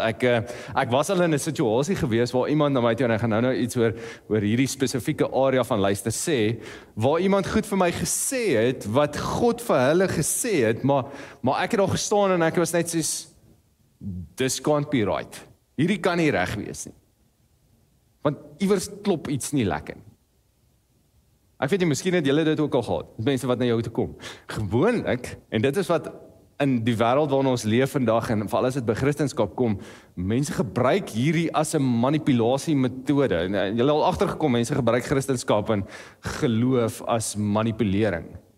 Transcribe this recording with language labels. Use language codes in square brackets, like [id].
[af] Ek was al in 'n situasie gewees waar iemand na my toe, en ek gaan nou iets oor hierdie spesifieke area van luister sê, waar iemand goed vir my gesê het, wat God vir hulle gesê het, maar ek het al gestaan en ek was net soos, [en] this can't be right. [af] Hierdie kan nie reg wees nie. Want iewers klop iets nie lekker. Ek weet nie, miskien het julle dit ook al gehad, mense wat na jou toe kom. Gewoonlik, en dit is wat in die wêreld waarin ons leef vandag en veral as dit by Christendom kom, mense gebruik hierdie as 'n manipulasie metode. En jy al agtergekom, mense gebruik Christendom en geloof as manipulering.